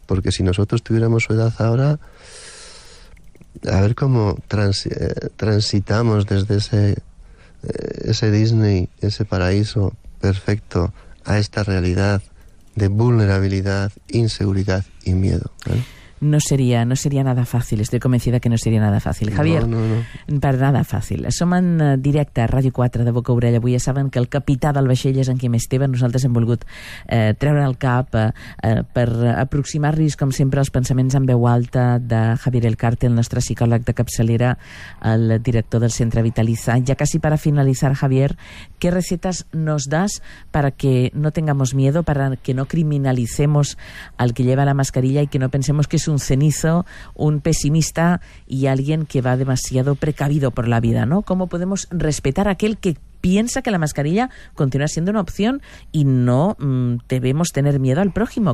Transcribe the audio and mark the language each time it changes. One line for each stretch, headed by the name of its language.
Spanish: Porque si nosotros tuviéramos su edad ahora, a ver cómo transitamos desde ese Disney, ese paraíso perfecto, a esta realidad de vulnerabilidad, inseguridad y miedo, ¿eh? No sería nada fácil, estoy convencida que no sería nada fácil. Javier, no.
Catalan: Per nada fàcil. Som en directe a Ràdio 4 de Boca Orella. Avui ja saben que el capità del vaixell és en Quim Esteve. Nosaltres hem volgut treure el cap per aproximar-nos, com sempre, als pensaments en veu alta de Javier El Carte, el nostre psicòleg de capçalera, el director del Centre Vitalizar. Ja quasi per a finalitzar,
Spanish: Javier, ¿qué recetas nos das para que no tengamos miedo, para que no criminalicemos al que lleva la mascarilla y que no pensemos que es un cenizo, un pesimista y alguien que va demasiado precavido por la vida, ¿no? ¿Cómo podemos respetar a aquel que piensa que la mascarilla continúa siendo una opción y no debemos tener miedo al prójimo?